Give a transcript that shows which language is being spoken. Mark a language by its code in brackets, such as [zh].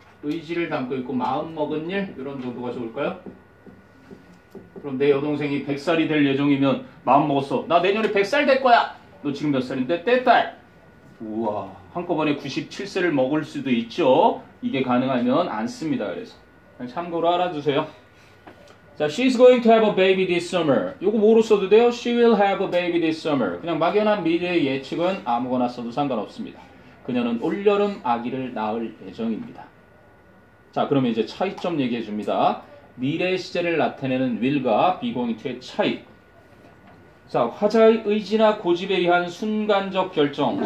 [ko] 의지를 담고 있고 마음먹은 일? 이런 정도가 좋을까요? 그럼 내 여동생이 100살이 될 예정이면 마음먹었어. 나 내년에 100살 될 거야! 너 지금 몇 살인데? 4살! 우와, 한꺼번에 97세를 먹을 수도 있죠? 이게 가능하면 안 씁니다. 그래서 그냥 참고로 알아두세요. [en] 자, she's going to have a baby this summer. 이거 뭐로 써도 돼요? She will have a baby this summer. [ko] 그냥 막연한 미래의 예측은 아무거나 써도 상관없습니다. 그녀는 올여름 아기를 낳을 예정입니다. 자, 그러면 이제 차이점 얘기해 줍니다. 미래의 시제를 나타내는 will과 be going to의 차이. 자, 화자의 의지나 고집에 의한 순간적 결정.